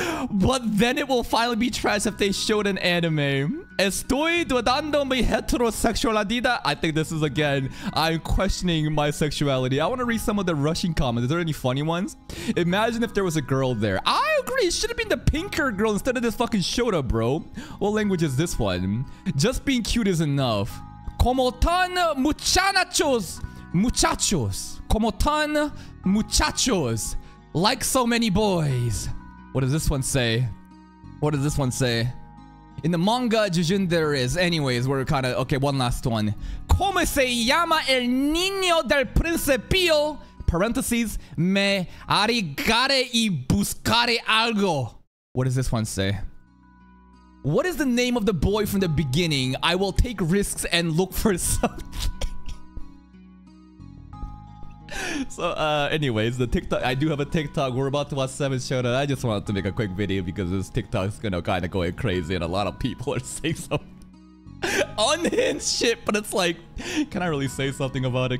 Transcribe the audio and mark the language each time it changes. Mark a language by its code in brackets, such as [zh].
[en] But then it will finally be trash if they showed an anime. [es] Estoy dudando mi heterosexualidad. [en] I think this is again, I'm questioning my sexuality. I want to read some of the Russian comments. Is there any funny ones? Imagine if there was a girl there. I agree. It should have been the pinker girl instead of this fucking Shota, bro. What language is this one? Just being cute is enough. [es] Como tan muchachos. Muchachos. Como tan muchachos. [en] Like so many boys. What does this one say? What does this one say? In the manga, Jujun there is. Anyways, we're kind of... Okay, one last one. [es] ¿Cómo se llama el niño del principio? Parentheses. Me arriesgaré y buscaré algo. [en] What does this one say? What is the name of the boy from the beginning? I will take risks and look for something. So, anyways, the TikTok, I do have a TikTok. We're about to watch 7th Shota. I just wanted to make a quick video because this TikTok is gonna kind of going crazy and a lot of people are saying some unhinged shit, but it's like, can I really say something about it?